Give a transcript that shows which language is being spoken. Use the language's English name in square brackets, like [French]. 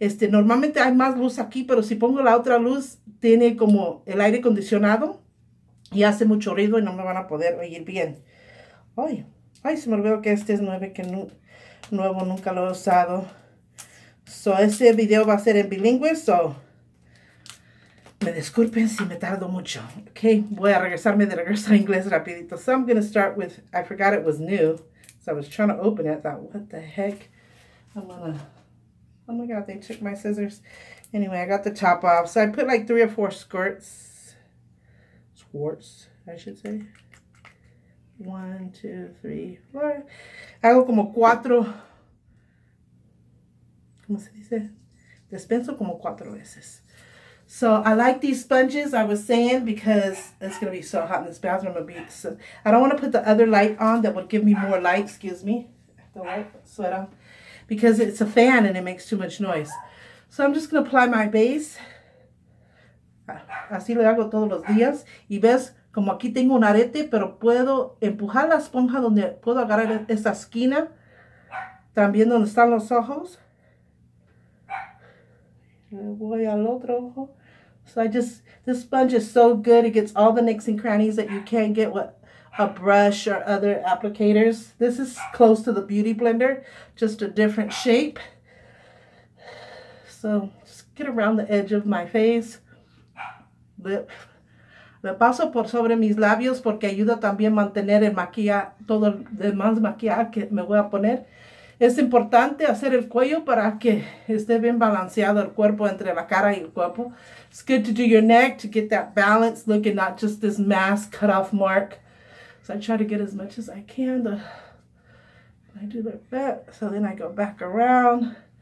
[Spanish] Normalmente hay más luz aquí, pero si pongo la otra luz, tiene como el aire acondicionado y hace mucho ruido y no me van a poder oír bien. Ay, se me olvidó que este es nuevo, nunca lo he usado. So, ese video va a ser en bilingüe, so me disculpen si me tardo mucho. Ok, voy a regresarme de regreso a inglés rapidito. [English] So, I'm going to start with, I forgot it was new, so I was trying to open it. I thought, what the heck? Oh my god, they took my scissors. Anyway, I got the top off. So I put like 3 or 4 squirts. Squirts, I should say. [Spanish] 1, 2, 3, 4. Hago como 4. ¿Cómo se dice? Despenso como 4 veces. [English] So I like these sponges, I was saying, because it's going to be so hot in this bathroom. So I don't want to put the other light on that would give me more light. Excuse me. The light sweat on. Because it's a fan and it makes too much noise. So I'm just going to apply my base. [Spanish] Así lo hago todos los días. Y ves, como aquí tengo un arete, pero puedo empujar la esponja donde puedo agarrar esa esquina. También donde están los ojos. Voy al otro ojo. [English] So I just, this sponge is so good. It gets all the nicks and crannies that you can't get with a brush or other applicators. This is close to the Beauty Blender, just a different shape. So just get around the edge of my face. Lip. [Spanish] Me paso por sobre mis labios porque ayuda también a mantener el maquillaje, todo el demás maquillaje que me voy a poner. Es importante hacer el cuello para que esté bien balanceado el cuerpo entre la cara y el cuerpo. [English] It's good to do your neck to get that balance look and not just this mass cut off mark. So I try to get as much as I can to, I do like that. So then I go back around.